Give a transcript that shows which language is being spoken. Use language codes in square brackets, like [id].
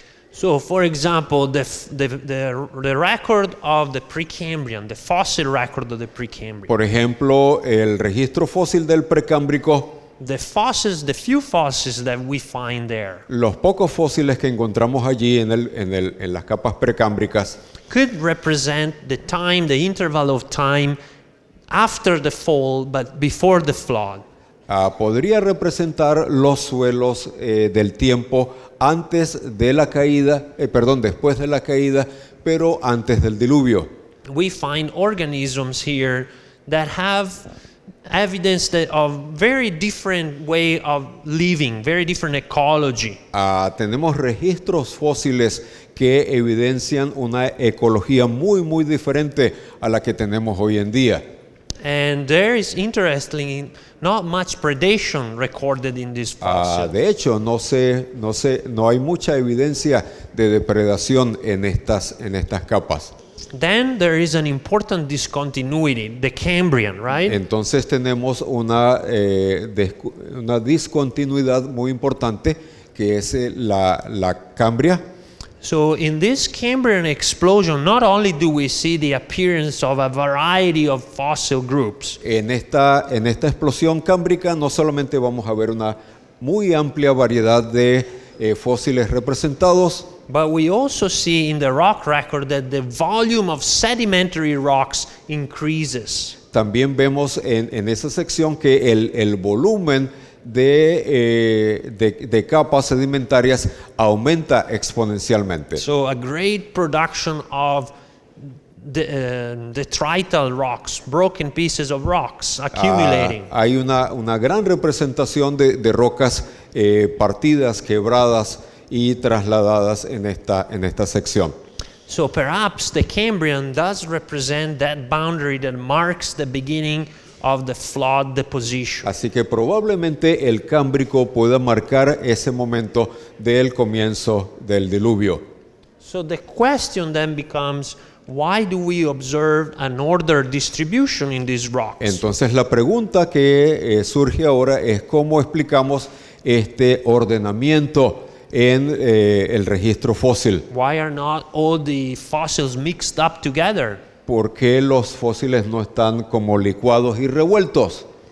[en] So, for example, the record of the Precambrian, the fossil record of the Precambrian. [es] Por ejemplo, el registro fósil del Precámbrico. [en] The fossils, the few fossils that we find there. [es] Los pocos fósiles que encontramos allí en las capas precámbricas. [en] Could represent the time, the interval of time after the fall, but before the flood. [es] Podría representar los suelos del tiempo antes de la caída, después de la caída, pero antes del diluvio. [en] We find organisms here that have evidence that of very different way of living, very different ecology. [es] Tenemos registros fósiles que evidencian una ecología muy muy diferente a la que tenemos hoy en día. [en] And there is interestingly not much predation recorded in this fossil. [es] De hecho, no hay mucha evidencia de depredación en estas capas. [en] Then there is an important discontinuity, the Cambrian, right? [es] Entonces tenemos una discontinuidad muy importante que es la Cambria. [en] So in this Cambrian explosion, not only do we see the appearance of a variety of fossil groups. [es] En esta explosión cámbrica no solamente vamos a ver una muy amplia variedad de fósiles representados, [en] but we also see in the rock record that the volume of sedimentary rocks increases. [es] También vemos en esa sección que el volumen de capas sedimentarias aumenta exponencialmente. [en] So a great production of detrital rocks, broken pieces of rocks accumulating. [es] Hay una gran representación de rocas partidas, quebradas y trasladadas en esta sección. [en] So perhaps the Cambrian does represent that boundary that marks the beginning of the flood deposition. [es] Así que probablemente el Cámbrico pueda marcar ese momento del comienzo del diluvio. [en] So the question then becomes, why do we observe an order distribution in these rocks? [es] Entonces la pregunta que surge ahora es cómo explicamos este ordenamiento en el registro fósil. [en] Why are not all the fossils mixed up together? [es] ¿Por qué los fósiles no están como licuados y revueltos?